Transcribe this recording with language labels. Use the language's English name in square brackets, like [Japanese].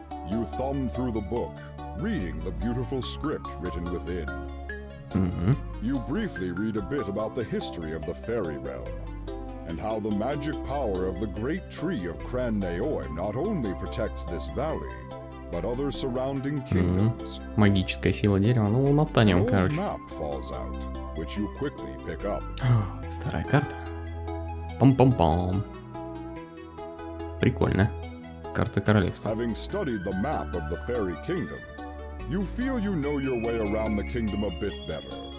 [English] You thumb through the book, reading the beautiful script written within. You briefly read a bit about the history of the fairy realm. And how the magic power of the great tree of Cranaeon not only protects this valley, but other surrounding kingdoms. [Russian] Магическая сила дерева, ну, лаптанем, короче. [English] Map falls out, which you quickly pick up. [Russian] Старая карта. Пам-пам-пам. Прикольно. Карта королевства. [English] Having studied the map of the fairy kingdom, you feel you know your way around the kingdom a bit better.